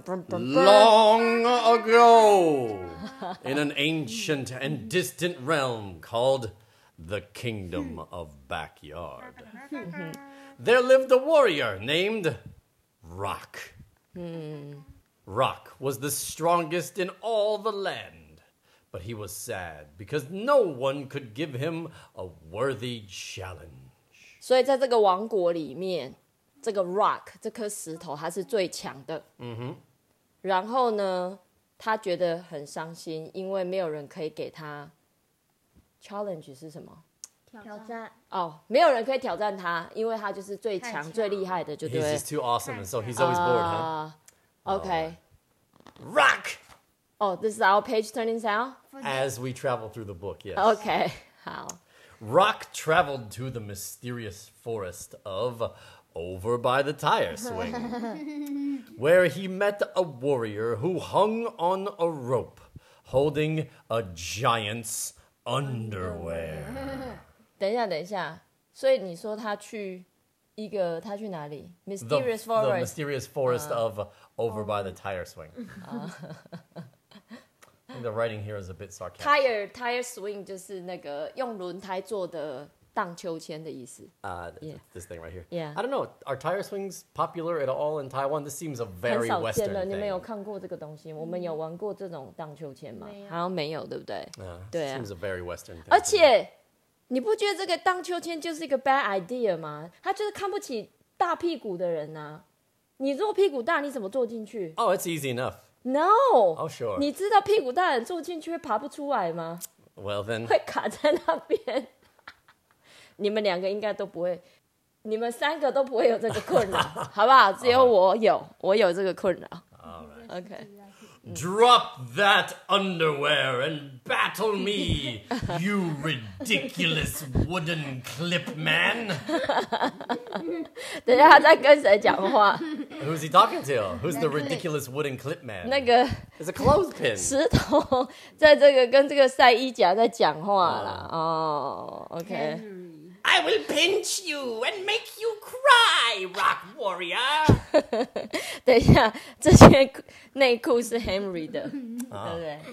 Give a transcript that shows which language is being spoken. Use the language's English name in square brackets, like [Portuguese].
[English] Long ago, in an ancient and distant realm called the Kingdom of Backyard, there lived a warrior named Rock. Rock was the strongest in all the land, but he was sad because no one could give him a worthy challenge. [Chinese] 所以在这个王国里面，这个 rock 这颗石头它是最强的。然后呢，他觉得很伤心，因为没有人可以给他 challenge 是什么？挑战。哦，没有人可以挑战他，因为他就是最强、最厉害的，就对。 [English] He's just too awesome, and so he's always bored, huh? Okay. Rock. Oh, this is our page turning sound. As we travel through the book, yes. Okay. 好。 Rock traveled to the mysterious forest of over by the tire swing, where he met a warrior who hung on a rope holding a giant's underwear. [Chinese] 等一下，等一下。所以你说他去一个，他去哪里 ？Mysterious [English] forest. The mysterious forest of over by the tire swing. The writing here is a bit sarcastic. [Chinese] Tire swing 就是那个用轮胎做的荡秋千的意思。 [English] This thing right here. Yeah. I don't know. Are tire swings popular at all in Taiwan? This seems a very Western thing. [Chinese] 很少见了，你没有看过这个东西。我们有玩过这种荡秋千吗？好像没有，对不对？对啊。 [English] Seems a very Western thing. [Chinese] 而且你不觉得这个荡秋千就是一个 bad idea 吗？他就是看不起大屁股的人啊。你如果屁股大，你怎么坐进去？ [English] Oh, it's easy enough. No. Oh, sure. [Chinese] 你知道屁股大人坐进去会爬不出来吗？ [English] Well, then. [Chinese] 会卡在那边。你们两个应该都不会，你们三个都不会有这个困扰，好不好？只有我有，我有这个困扰。 [English] All right. Okay. Drop that underwear and battle me, you ridiculous wooden clip man. [Chinese] 等一下，他在跟谁讲话？ [English] Who's he talking to? Who's the ridiculous wooden clip man? [Chinese] 那个 [English] It's a clothespin. [Chinese] 石头在这个跟这个赛衣甲在讲话啦。 [English] OK. I will pinch you and make you cry, rock warrior. [Chinese] 等一下，这件内裤是 Henry 的，对不对？